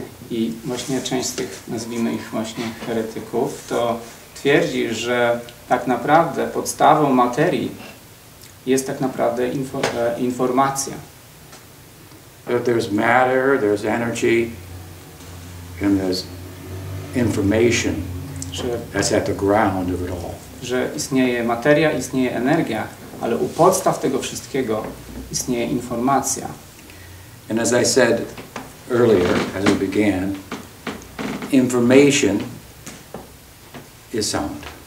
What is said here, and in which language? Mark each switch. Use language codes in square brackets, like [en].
[pl] I właśnie część z tych, nazwijmy ich właśnie heretyków, to twierdzi, że tak naprawdę podstawą materii jest tak naprawdę informacja. [en] That there's matter, there's energy, and there's information that's at the ground of it all. [pl] Że istnieje materia, istnieje energia, ale u podstaw tego wszystkiego istnieje informacja. [en] And as I said earlier, as we began, information is sound.